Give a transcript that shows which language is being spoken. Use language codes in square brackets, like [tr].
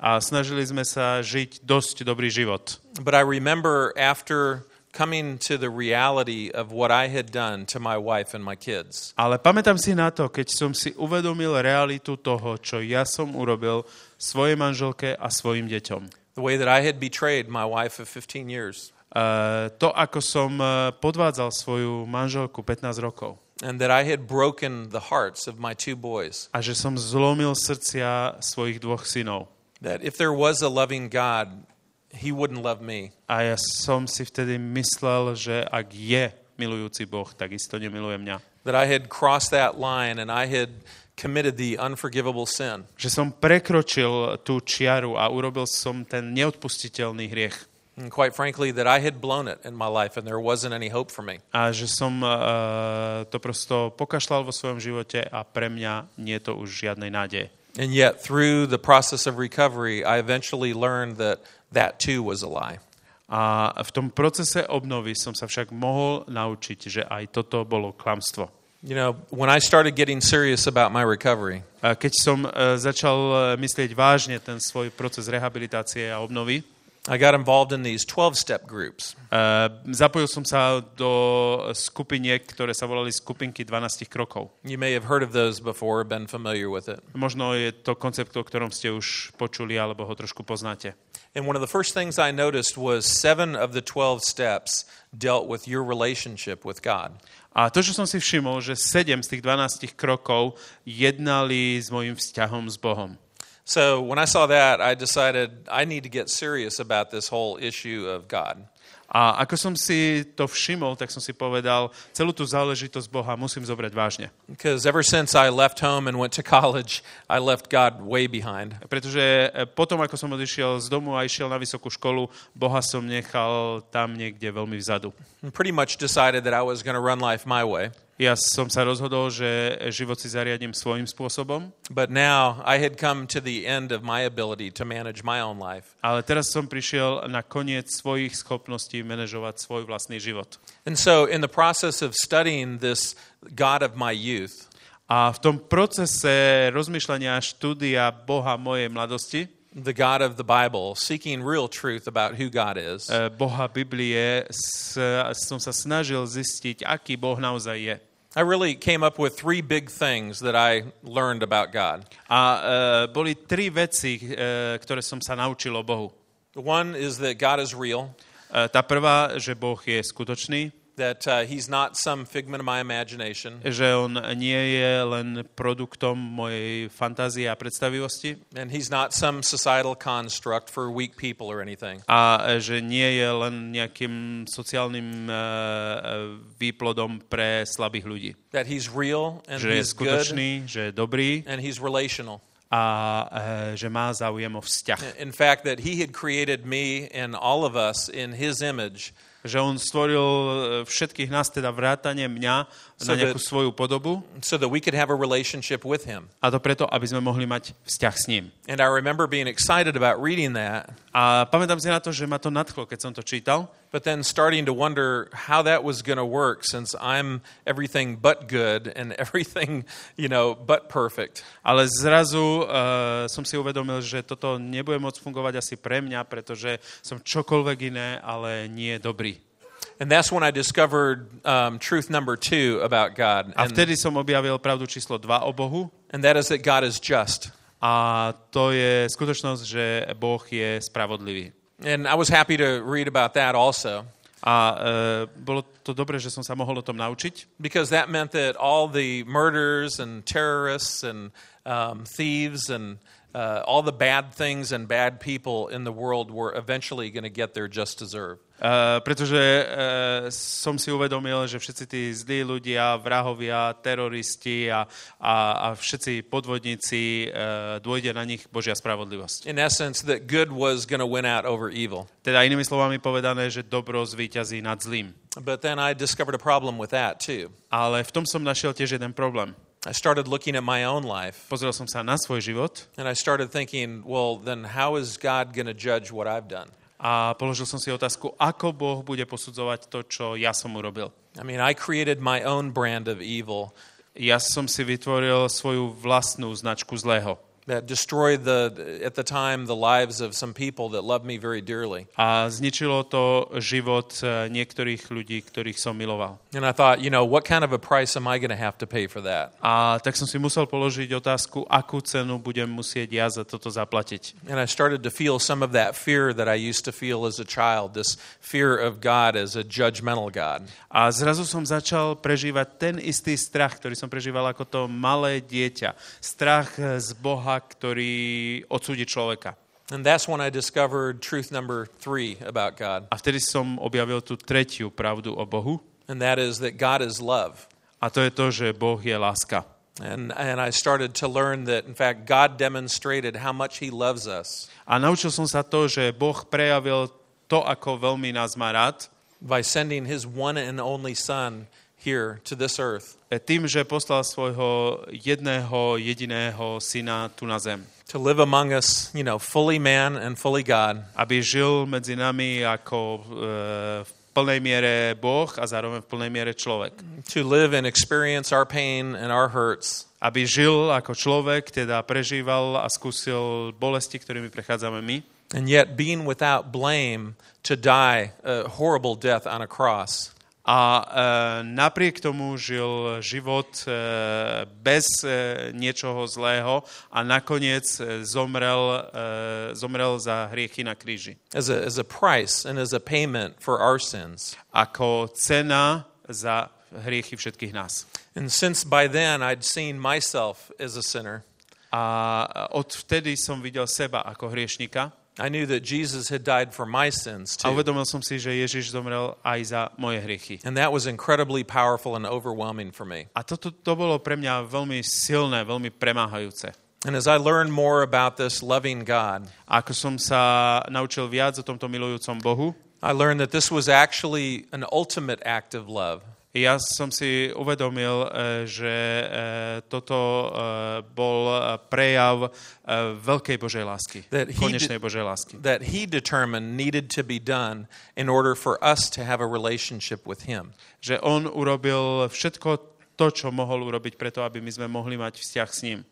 [sk] A snažili sme sa žiť dosť dobrý život. [en] But I remember after coming to the reality of what I had done to my wife and my kids. [sk] Ale pamätám si na to, keď som si uvedomil realitu toho, čo ja som urobil svojej manželke a svojim deťom. [en] The way that I had betrayed my wife of 15 years. [sk] To, ako som podvádzal svoju manželku 15 rokov. [en] And that I had broken the hearts of my two boys. [sk] A že som zlomil srdcia svojich dvoch synov. [en] That if there was a loving God, he wouldn't love me. [sk] A ja som si vtedy myslel, že ak je milujúci Boh, tak isto nemiluje mňa. [en] That I had crossed that line and I had committed the unforgivable sin. [sk] Že som prekročil tú čiaru a urobil som ten neodpustiteľný hriech. [en] And quite frankly that I had blown it in my life and there wasn't any hope for me. [sk] A že som to prosto pokašľal vo svojom živote a pre mňa nie je to už žiadnej nádeje. [en] And yet through the process of recovery I eventually learned that too was a lie. [sk] A v tom procese obnovy som sa však mohol naučiť, že aj toto bolo klamstvo. [en] You know, when I started getting serious about my recovery. [sk] A keď som začal myslieť vážne ten svoj proces rehabilitácie a obnovy. [en] I got involved in these 12-step groups. [sk] Zapojil som sa do skupiniek, ktoré sa volali skupinky 12 krokov. [en] You may have heard of those before, been familiar with it. [sk] Možno je to koncept, o ktorom ste už počuli alebo ho trošku poznáte. [en] And one of the first things I noticed was 7 of the 12 steps dealt with your relationship with God. [sk] A to, čo som si všimol, že 7 z tých 12 krokov jednali s mojím vzťahom s Bohom. [en] So when I saw that, I decided I need to get serious about this whole issue of God. [sk] A ako som si to všimol, tak som si povedal, celú tú záležitosť Boha musím zobrať vážne. [en] Because ever since I left home and went to college, I left God way behind. [sk] Pretože potom, ako som odišiel z domu a išiel na vysokú školu, Boha som nechal tam niekde veľmi vzadu. [en] Pretty much decided that I was going to run life my way. [sk] Ja som sa rozhodol, že život si zariadím svojím spôsobom. [en] But now I had come to the end of my ability to manage my own life. [sk] Ale teraz som prišiel na koniec svojich schopností manažovať svoj vlastný život. [en] And so in the process of studying this God of my youth. [sk] A v tom procese rozmýšľania a štúdia Boha mojej mladosti. [en] The God of the Bible, seeking real truth about who God is. [sk] Boha Biblie, som sa snažil zistiť, aký Boh naozaj je. [en] I really came up with three big things that I learned about God. [sk] A boli tri veci, ktoré som sa naučil o Bohu. [en] One is that God is real. [sk] Tá prvá, že Boh je skutočný. [en] That he's not some figment of my imagination. [sk] Že on nie je len produktom mojej fantázie a predstavivosti. [en] And he's not some societal construct for weak people or anything. [sk] A že nie je len nejakým sociálnym výplodom pre slabých ľudí. [en] That he's real and [sk] že je skutočný, [en] good, [sk] že je dobrý. [en] And he's relational. [sk] A že má záujem o vzťah. [en] In fact, that he had created me and all of us in his image. [sk] Že on stvoril všetkých nás, teda vrátane mňa, na nejakú svoju podobu. [en] So that we could have a relationship with him. [sk] A to preto, aby sme mohli mať vzťah s ním. [en] And I remember being excited about reading that. [sk] A pamätám si na to, že ma to nadchlo, keď som to čítal. [en] But then starting to wonder how that was going to work since I'm everything but good and everything, you know, but perfect. [sk] Ale zrazu som si uvedomil, že toto nebude môcť fungovať asi pre mňa, pretože som čokoľvek iné, ale nie dobrý. [en] And that's when I discovered truth number two about God. [sk] A vtedy som objavil pravdu číslo 2 o Bohu. [en] And that is that God is just. [sk] A to je skutočnosť, že Boh je spravodlivý. [en] And I was happy to read about that also. [sk] A bolo to dobre, že som sa mohol o tom naučiť. [en] Because that meant that all the murders and terrorists and thieves and all the bad things and bad people in the world were eventually going to get their just deserve. [sk] Pretože som si uvedomil, že všetci tí zlí ľudia, vrahovia, teroristi a všetci podvodníci, dôjde na nich Božia spravodlivosť. [en] In essence, that good was going to win out over evil. [sk] Teda inými slovami povedané, že dobro zvíťazí nad zlým. [en] But then I discovered a problem with that too. [sk] Ale v tom som našiel tiež jeden problém. [en] I started looking at my own life. [sk] Pozrel som sa na svoj život. [en] And I started thinking, well, then how is God going to judge what I've done? [sk] A položil som si otázku, ako Boh bude posudzovať to, čo ja som urobil. [en] I mean, I created my own brand of evil. [sk] Ja som si vytvoril svoju vlastnú značku zlého. [en] That destroyed the at the time the lives of some people that loved me very dearly. [sk] A zničilo to život niektorých ľudí, ktorých som miloval. [en] And I thought, you know, what kind of a price am I going to have to pay for that? [sk] A tak som si musel položiť otázku, akú cenu budem musieť ja za toto zaplatiť. [en] And I started to feel some of that fear that I used to feel as a child, this fear of God as a judgmental God. [sk] A zrazu som začal prežívať ten istý strach, ktorý som prežíval ako to malé dieťa. Strach z Boha, ktorý odsúdi človeka. [en] And that's when I discovered truth number three about God. [sk] A vtedy som objavil tú tretiu pravdu o Bohu. [en] And that is that God is love. [sk] A to je to, že Boh je láska. [en] And I started to learn that in fact God demonstrated how much he loves us. [sk] A naučil som sa to, že Boh prejavil to, ako veľmi nás má rád. [en] By sending his one and only son here to this earth. [sk] Tým, že poslal svojho jedného jediného syna tu na zem. [en] To live among us, you know, fully man and fully God. [sk] Aby žil medzi nami ako v plnej miere Boh a zároveň v plnej miere človek. [en] To live and experience our pain and our hurts. [sk] Aby žil ako človek, teda prežíval a skúsil bolesti, ktorými prechádzame my. [en] And yet being without blame to die a horrible death on a cross. [sk] A napriek tomu žil život bez niečoho zlého a nakoniec zomrel za hriechy na kríži. [en] As a price and as a payment for our sins. [sk] Ako cena za hriechy všetkých nás. [en] And since by then I'd seen myself as a sinner. [sk] A odvtedy som videl seba ako hriešnika. [en] I knew that Jesus had died for my sins too. [sk] A uvedomil som si, že Ježiš zomrel aj za moje hriechy. [en] And that was incredibly powerful and overwhelming for me. [sk] A to bolo pre mňa veľmi silné, veľmi premáhajúce. [en] And as I learned more about this loving God, [sk] ako som sa naučil viac o tomto milujúcom Bohu, [en] I learned that this was actually an ultimate act of love. [sk] Ja som si uvedomil, že toto bol prejav veľkej Božej lásky, konečnej Božej lásky. [en] That he determined needed to be done in order for us to have a relationship with him. [sk] Že on urobil všetko to, čo mohol urobiť preto, aby my sme mohli mať vzťah s ním.